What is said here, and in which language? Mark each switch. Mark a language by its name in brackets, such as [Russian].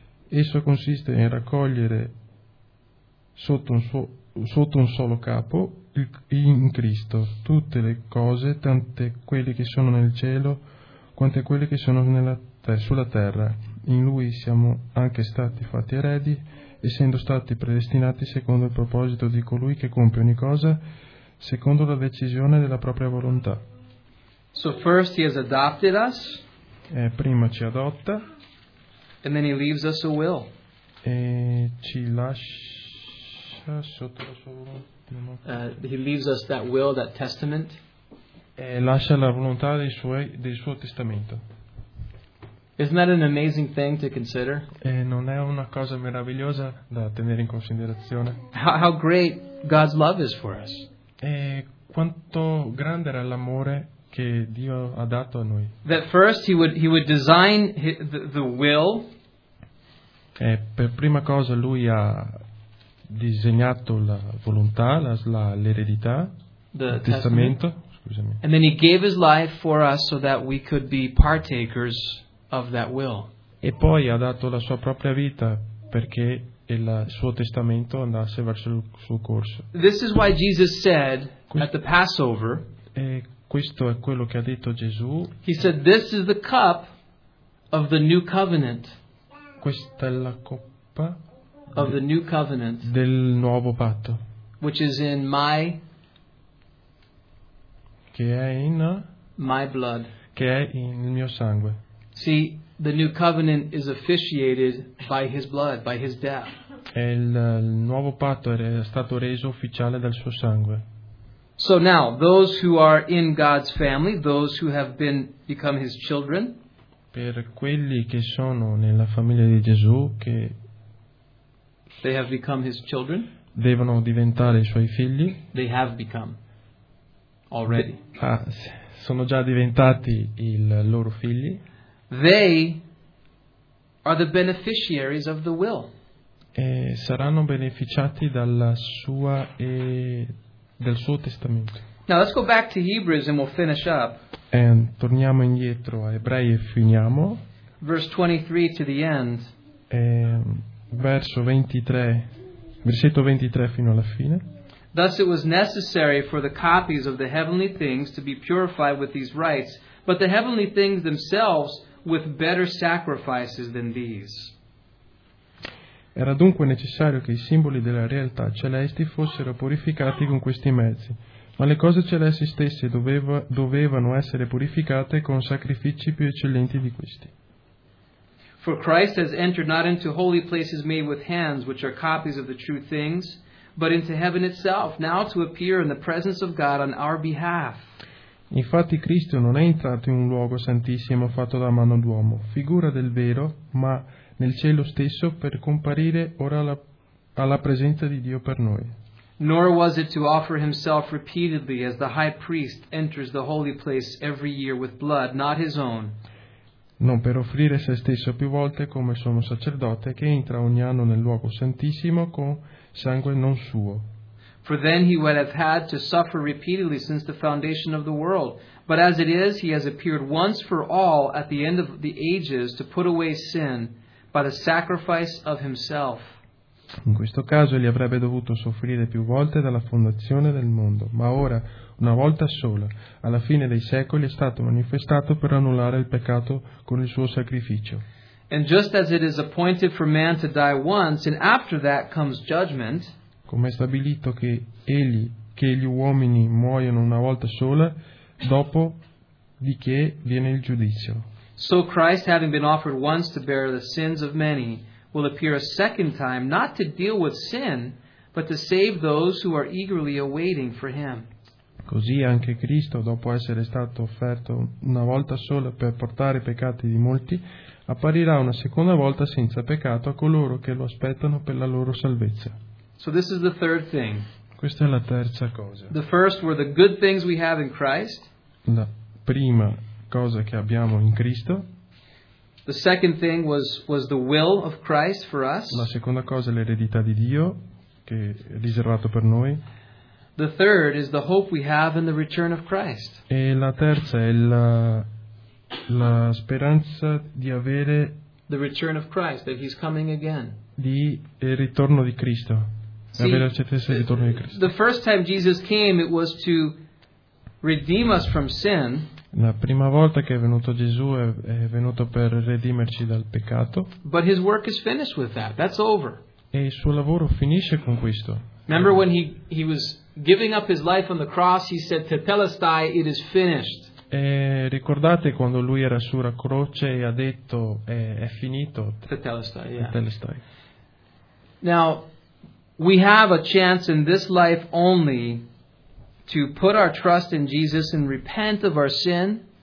[Italian] Esso consiste in raccogliere sotto un solo capo, in Cristo, tutte le cose, tante quelle che sono nel cielo, quante quelle che sono sulla terra. In Lui siamo anche stati fatti eredi, essendo stati predestinati secondo il proposito di Colui che compie ogni cosa, secondo la decisione della propria volontà. [English] So first he has adopted us, [Italian] prima ci adotta, [English] and then he leaves us a will. [Italian] E ci lascia sotto la sua volontà. [English] He leaves us that will, that testament. [Italian] E lascia la volontà del suo testamento. [English] Isn't that an amazing thing to consider? [Italian] E non è una cosa meravigliosa da tenere in considerazione? [English] How great God's love is for us. [Italian] E quanto grande era l'amore che Dio ha dato a noi. [English] That first he would design the will. [Italian] E per prima cosa lui ha disegnato la volontà, l'eredità, il testamento. Scusami. [English] And then he gave his life for us so that we could be partakers of that will. [Italian] E poi ha dato la sua propria vita perché il suo testamento andasse verso il suo corso. [English] This is why Jesus said at the Passover. [Italian] E questo è quello che ha detto Gesù. [English] He said, "This is the cup of the new covenant." [Italian] Questa è la coppa [English] of the new covenant. [Italian] Del nuovo patto. [English] Which is in my. [Italian] Che è in. [English] My blood. [Italian] Che è nel mio sangue. [English] See, the new covenant is officiated by his blood, by his death. [Italian] Il nuovo patto è stato reso ufficiale dal suo sangue. [English] So now, those who are in God's family, those who have become his children. [Italian] Per quelli che sono nella famiglia di Gesù, che [English] they have become his children. [Italian] Devono diventare i suoi figli. [English] They have become already. [Italian] Sono già diventati i loro figli. [English] They are the beneficiaries of the will. [Italian] E saranno beneficiati dal suo testamento. [English] Now let's go back to Hebrews and we'll finish up. [Italian] E torniamo indietro a Ebrei e finiamo. [English] Verse 23 to the end. [Italian] Versetto 23 fino alla fine. [English] Thus it was necessary for the copies of the heavenly things to be purified with these rites, but the heavenly things themselves with better sacrifices than these. [Italian] Era dunque necessario che i simboli della realtà celesti fossero purificati con questi mezzi, ma le cose celesti stesse dovevano essere purificate con sacrifici più eccellenti di questi. [English] For Christ has entered not into holy places made with hands, which are copies of the true things, but into heaven itself, now to appear in the presence of God on our behalf. [Italian] Infatti Cristo non è entrato in un luogo santissimo fatto da mano d'uomo, figura del vero, ma nel cielo stesso per comparire ora alla presenza di Dio per noi. [English] Nor was it to offer himself repeatedly as the high priest enters the holy place every year with blood, not his own. [Italian] Non per offrire se stesso più volte come sommo sacerdote che entra ogni anno nel luogo santissimo con sangue non suo. [English] For then he would have had to suffer repeatedly since the foundation of the world. But as it is, he has appeared once for all at the end of the ages to put away sin by the sacrifice of himself. [Italian] In questo caso egli avrebbe dovuto soffrire più volte dalla fondazione del mondo, ma ora, una volta sola, alla fine dei secoli, è stato manifestato per annullare il peccato con il suo sacrificio. [English] And just as it is appointed for man to die once, and after that comes judgment. [Italian] Come è stabilito che gli uomini muoiono una volta sola, dopo di che viene il giudizio. [English] So Christ, having been offered once to bear the sins of many, will appear a second time, not to deal with sin, but to save those who are eagerly awaiting for him. [Italian] Così anche Cristo, dopo essere stato offerto una volta sola per portare i peccati di molti, apparirà una seconda volta senza peccato a coloro che lo aspettano per la loro salvezza. [English] So this is the third thing. [Italian] Questa è la terza cosa. [English] The first were the good things we have in Christ. [Italian] La prima cosa che abbiamo in Cristo. [English] The second thing was the will of Christ for us. [Italian] La seconda cosa è l'eredità di Dio che è riservato per noi. [English] The third is the hope we have in the return of Christ. [Italian] E la terza è la speranza di avere [English] the return of Christ, that he's coming again. [Italian] Di il ritorno di Cristo. [English] The first time Jesus came, it was to redeem us from sin. [Italian] La prima volta che è venuto Gesù è venuto per redimerci dal peccato. [English] But his work is finished with that. That's over. [Italian] E il suo lavoro finisce con questo. [English] Remember when he was giving up his life on the cross, he said, "Tetelestai, it is finished." [Italian] E ricordate quando lui era sulla croce e ha detto è finito. [English] Tetelestai, yeah. [Greek] Tetelestai. [English] Now, we have a chance in this life only to put our trust in Jesus and repent of our sin.